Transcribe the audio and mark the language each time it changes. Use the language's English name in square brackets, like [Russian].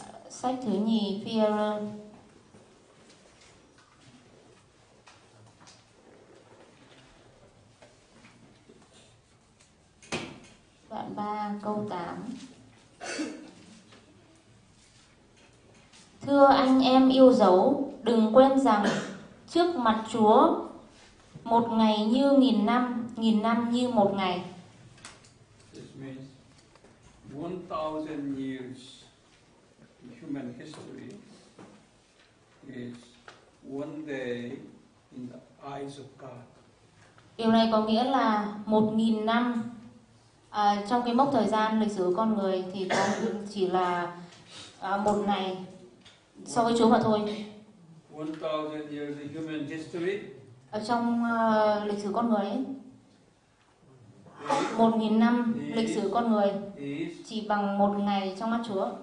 [Vietnamese] Sách thứ nhì Phi-e-rơ, đoạn 3 câu 8. Thưa anh em yêu dấu, đừng quên rằng trước mặt Chúa một ngày như nghìn năm, nghìn năm như một ngày. [English] This means 1,000 years in human history is one day in the eyes of God. [Vietnamese] Điều này có nghĩa là 1,000 năm trong cái mốc thời gian lịch sử của con người thì con chỉ là một ngày so với Chúa mà thôi. [English] 1,000 years in human history. [Vietnamese] Ở trong lịch sử con người ấy, 1,000 năm lịch sử con người chỉ bằng một ngày trong mắt Chúa.